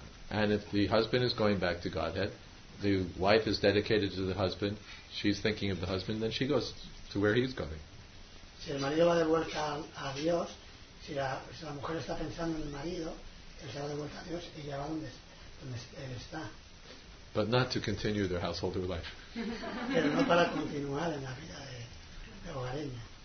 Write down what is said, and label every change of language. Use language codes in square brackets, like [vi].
[en] And if the husband is going back to Godhead, the wife is dedicated to the husband, she's thinking of the husband, then she goes to where he's going. [es] Si el marido va de vuelta a Dios, si la mujer está pensando en el marido, él se va de vuelta a Dios y ella va donde él está. [en] But not to continue their householder life. [es] Pero no para continuar en la vida de hogareña.